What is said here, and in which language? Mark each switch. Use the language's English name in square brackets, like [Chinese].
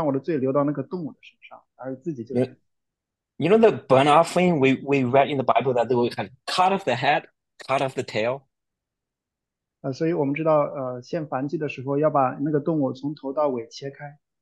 [Chinese] 所以亚伯拉罕也会献燔祭，献燔祭的意思就是说，我就是被献祭的那个动物，而不是让耶稣来，让那个动物，让我的罪流到那个动物的身上，而自己就来。 [English] You know the burnt offering we read in the Bible that they would kind of cut off the head, cut off the tail? [Chinese] 所以我们知道，献燔祭的时候要把那个动物从头到尾切开。